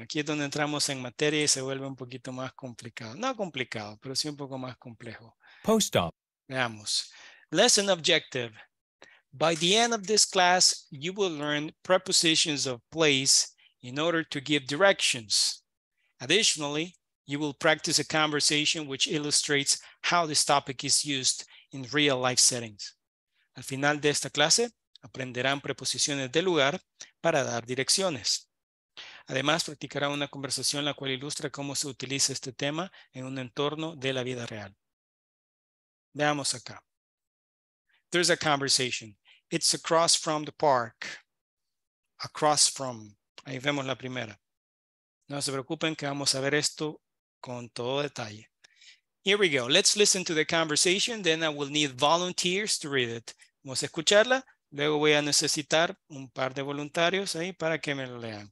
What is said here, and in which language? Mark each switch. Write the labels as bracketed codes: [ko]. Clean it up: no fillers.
[es] Aquí es donde entramos en materia y se vuelve un poquito más complicado. No complicado, pero sí un poco más complejo. Post op. Veamos. [en] Lesson objective. By the end of this class, you will learn prepositions of place in order to give directions. Additionally, you will practice a conversation which illustrates how this topic is used in real life settings. [es] Al final de esta clase, aprenderán preposiciones de lugar para dar direcciones. Además, practicarán una conversación la cual ilustra cómo se utiliza este tema en un entorno de la vida real. Veamos acá. [en] There's a conversation. It's across from the park. Across from. [es] Ahí vemos la primera. No se preocupen que vamos a ver esto con todo detalle. [en] Here we go. Let's listen to the conversation. Then I will need volunteers to read it. [es] Vamos a escucharla. Luego voy a necesitar un par de voluntarios ahí para que me lo lean.